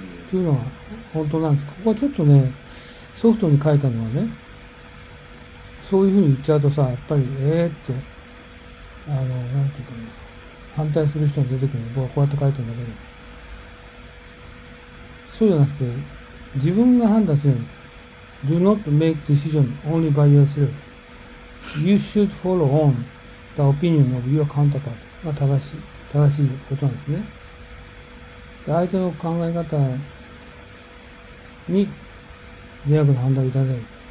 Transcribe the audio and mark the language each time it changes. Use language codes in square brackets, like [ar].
[ja] というのは本当なんです。ここはちょっとね、ソフトに書いたのはね、そういうふうに言っちゃうとさ、やっぱり、なんていうかね、反対する人が出てくるの、僕はこうやって書いてんだけど、そうじゃなくて、自分が判断するの。 [en] Do not make decision only by yourself. You should follow on the opinion of your counterpart. [ja] が正しいことなんですね。で、相手の考え方に善悪の判断を委ねる。